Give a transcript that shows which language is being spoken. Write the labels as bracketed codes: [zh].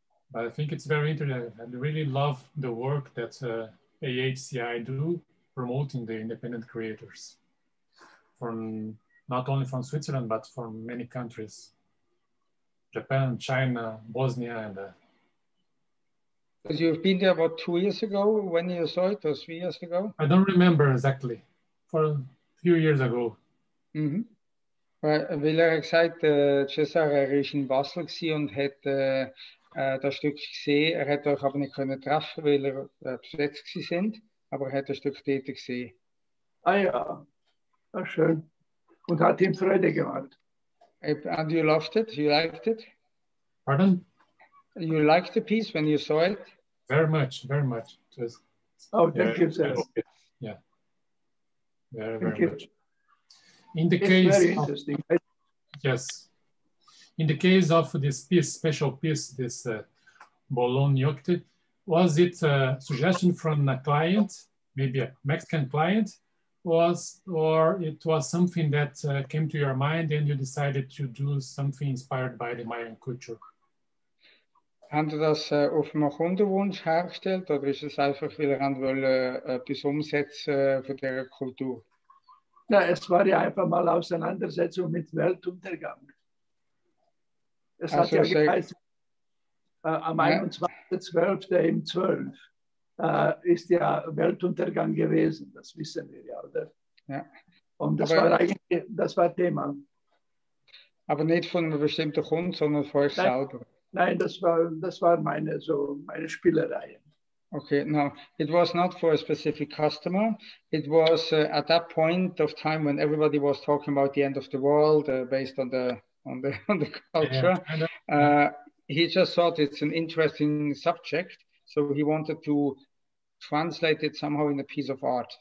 [en] But I think it's very interesting. I really love the work that AHCI do, promoting the independent creators from not only from Switzerland, but from many countries, Japan, China, Bosnia, and You've been there about 2 years ago when you saw it, or 3 years ago? I don't remember exactly, for a few years ago. Mm-hmm. [de] Weil gesagt, Cesar, ist in Basel gewesen und hat das Stück gesehen. Er hat euch aber nicht können treffen, weil er besetzt gewesen sind. Aber er hat das Stück tätig gesehen. Ah ja, das schön. Und hat ihm Freude gemacht. [en] And you loved it? You liked it? Pardon? You liked the piece when you saw it? Very much, very much. Thank you, sir. Yeah. Very much. In the case of this piece, special piece, this balloon yacht, was it a suggestion from a client, maybe a Mexican client, or it was something that came to your mind and you decided to do something inspired by the Mayan culture? [de] Haben Sie das auf einen Kundenwunsch hergestellt oder ist es einfach, weil Sie etwas umsetzen für diese Kultur? Na, es war ja einfach mal Auseinandersetzung mit Weltuntergang. Es hat ja geheißen, am 21.12. im 12. Ist ja Weltuntergang gewesen, das wissen wir ja, oder? Ja. Und das war Thema. Aber nicht von einem bestimmten Kunden, sondern von euch selber. Nein, das war meine Spielerei. [en] Okay, no, it was not for a specific customer. It was at that point of time when everybody was talking about the end of the world based on the culture. Yeah. He just thought it's an interesting subject, so he wanted to translate it somehow in a piece of art.